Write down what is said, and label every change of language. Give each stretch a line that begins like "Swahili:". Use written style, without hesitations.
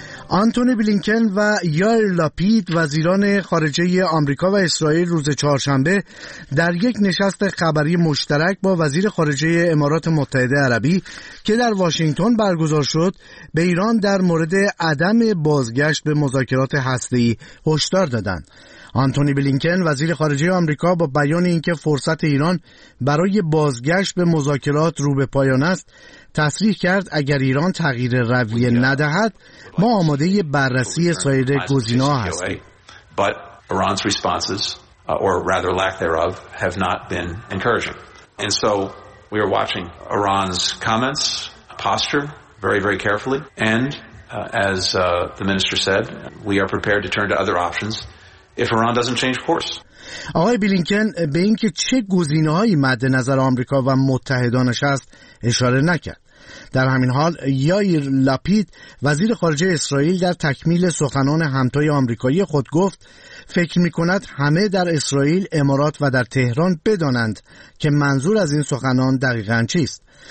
Persian: آنتونی بلینکن و یائیر لاپید وزیران خارجه آمریکا و اسرائیل روز چهارشنبه در یک نشست خبری مشترک با وزیر خارجه امارات متحده عربی که در واشنگتن برگزار شد به ایران در مورد عدم بازگشت به مذاکرات هسته‌ای هشدار دادند. آنتونی بلینکن وزیر خارجه آمریکا با بیان اینکه فرصت ایران برای بازگشت به مذاکرات رو به پایان است تصریح کرد اگر ایران تغییر رویه ندهد ما آماده بررسی سایر گزینه‌ها هستیم.
English: But Iran's responses or rather lack thereof have not been encouraging. And so we are watching Iran's comments, posture very very carefully and as the minister said, we are prepared to turn to other options. If Iran doesn't change course.
Persian: آقای بلینکن به اینکه چه گزینه‌هایی مد نظر آمریکا و متحدانش است اشاره نکرد. در همین حال یائیر لاپید وزیر خارجه اسرائیل در تکمیل سخنان همتای آمریکایی خود گفت فکر می‌کند همه در اسرائیل، امارات و در تهران بدانند که منظور از این سخنان دقیقاً چیست.